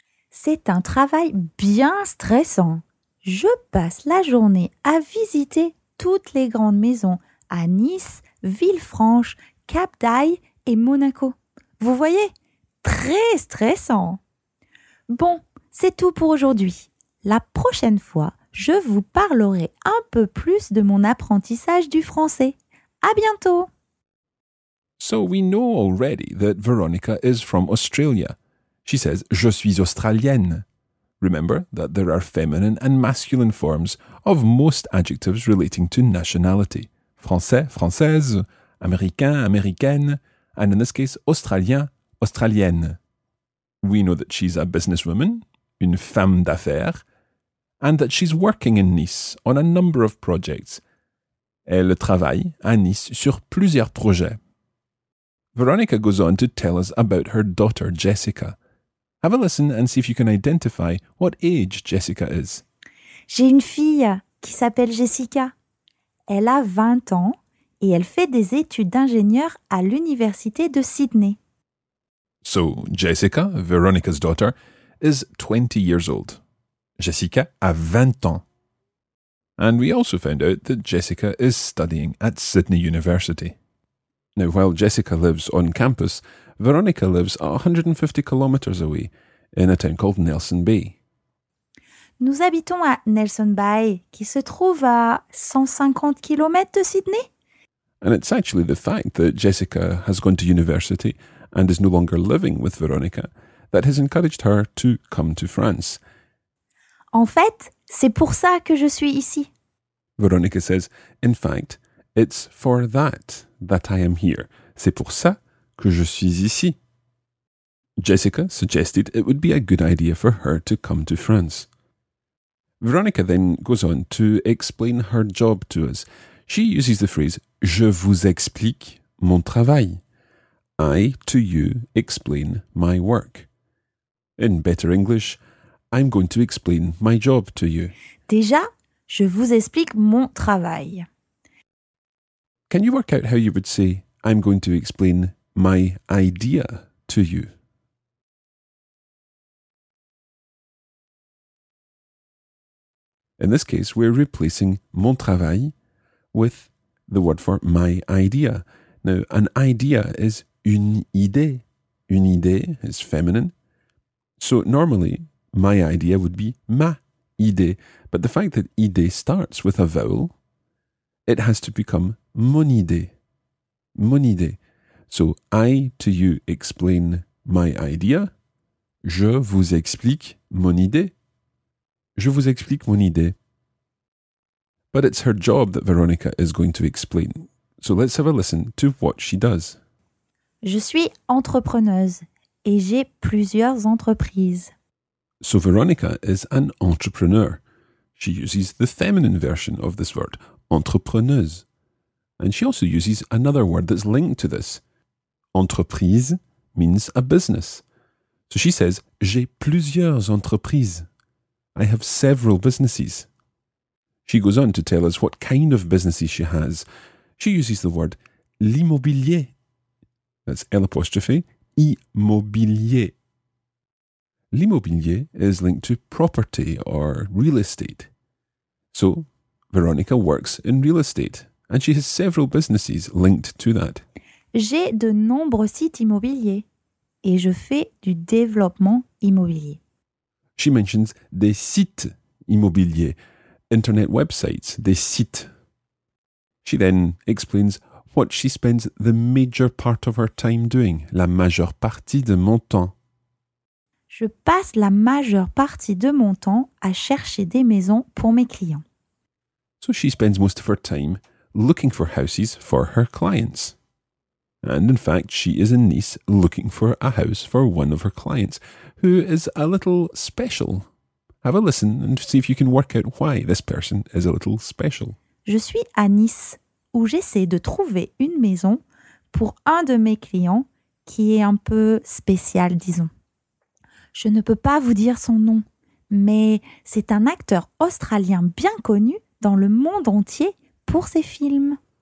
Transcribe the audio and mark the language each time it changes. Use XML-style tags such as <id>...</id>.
<fr>C'est un travail bien stressant. Je passe la journée à visiter toutes les grandes maisons à Nice, Villefranche, Cap d'Aille et Monaco. Vous voyez, très stressant. Bon, c'est tout pour aujourd'hui. La prochaine fois, je vous parlerai un peu plus de mon apprentissage du français. À bientôt!</fr> <en>So we know already that Veronica is from Australia. She says,</en> <fr>je suis australienne.</fr> <en>Remember that there are feminine and masculine forms of most adjectives relating to nationality.</en> <fr>Français, française, américain, américaine,</fr> <en>and in this case,</en> <fr>australien, australienne.</fr> <en>We know that she's a businesswoman,</en> <fr>une femme d'affaires,</fr> <en>and that she's working in Nice on a number of projects.</en> <fr>Elle travaille à Nice sur plusieurs projets.</fr> <en>Veronica goes on to tell us about her daughter, Jessica. Have a listen and see if you can identify what age Jessica is.</en> <fr>J'ai une fille qui s'appelle Jessica. Elle a 20 ans et elle fait des études d'ingénieur à l'université de Sydney.</fr> <en>So, Jessica, Veronica's daughter, is 20 years old.</en> <fr>Jessica a 20 ans.</fr> <en>And we also found out that Jessica is studying at Sydney University. Now, while Jessica lives on campus, Veronica lives 150 kilometres away, in a town called Nelson Bay.</en> <fr>Nous habitons à Nelson Bay, qui se trouve à 150 kilomètres de Sydney.</fr> <en>And it's actually the fact that Jessica has gone to university and is no longer living with Veronica that has encouraged her to come to France.</en> <fr>En fait, c'est pour ça que je suis ici.</fr> <en>Veronica says, in fact, it's for that I am here.</en> <fr>C'est pour ça que je suis ici.</fr> <en>Jessica suggested it would be a good idea for her to come to France. Veronica then goes on to explain her job to us. She uses the phrase,</en> <fr>je vous explique mon travail.</fr> <en>I, to you, explain my work. In better English, I'm going to explain my job to you.</en> <fr>Déjà, je vous explique mon travail.</fr> <en>Can you work out how you would say, I'm going to explain my idea to you? In this case, we're replacing mon travail with the word for my idea. Now, an idea is une idée. Une idée is feminine. So normally, my idea would be ma idée. But the fact that idée starts with a vowel, it has to become</en> <fr>mon idée. Mon idée.</fr> <en>So I, to you, explain my idea.</en> <fr>Je vous explique mon idée. Je vous explique mon idée.</fr> <en>But it's her job that Veronica is going to explain. So let's have a listen to what she does.</en> <fr>Je suis entrepreneuse et j'ai plusieurs entreprises.</fr> <en>So Veronica is an entrepreneur. She uses the feminine version of this word, entrepreneuse. And she also uses another word that's linked to this. Entreprise means a business. So she says,</en> <fr>j'ai plusieurs entreprises.</fr> <en>I have several businesses. She goes on to tell us what kind of businesses she has. She uses the word l'immobilier. That's L'apostrophe, immobilier. L'immobilier is linked to property or real estate. So, Veronica works in real estate and she has several businesses linked to that.</en> <fr>J'ai de nombreux sites immobiliers et je fais du développement immobilier.</fr> <en>She mentions</en> <fr>des sites immobiliers.</fr> <en>Internet websites, des sites. She then explains what she spends the major part of her time doing,</en> <fr>la majeure partie de mon temps. Je passe la majeure partie de mon temps à chercher des maisons pour mes clients.</fr> <en>So she spends most of her time looking for houses for her clients. And in fact, she is in Nice looking for a house for one of her clients, who is a little special. Have a listen and see if you can work out why this person is a little special.</en> <fr>Je suis à Nice, où j'essaie de trouver une maison pour un de mes clients qui est un peu spécial, disons. Je ne peux pas vous dire son nom, mais c'est un acteur australien bien connu dans le monde entier pour ses films.</fr>